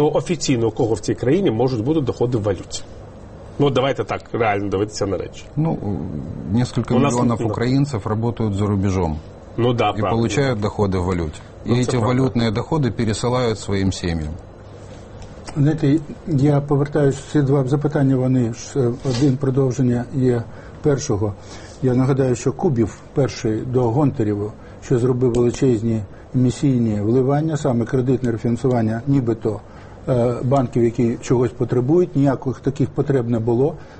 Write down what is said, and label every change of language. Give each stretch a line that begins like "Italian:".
Russian: Ну, официально у кого
Ukrainian: в цій країні можуть бути доходи в валюті? Ну, давайте так, реально дивитися на речі.
Russian: Ну, несколько миллионов українців работают за рубежом. Ну, да, и правда. И получают доходы в валюте. Ну, и эти правда. Валютные доходы пересылают своим семьям.
Ukrainian: Знаєте, я повертаюся, ці два запитання, вони ж один продовження є першого. Я нагадаю, що Кубів перший до Гонтарєва, що зробив величезні емісійні вливання, саме кредитне рефінансування, нібито банків, які чогось потребують, ніяких таких потреб не було.